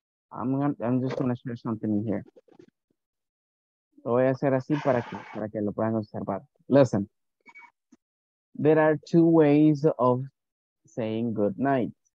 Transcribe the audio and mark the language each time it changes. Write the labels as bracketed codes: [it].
[en] I'm just going to share something in here. [es] Lo voy a hacer así para que lo puedan observar. [en] Listen. There are two ways of saying good night.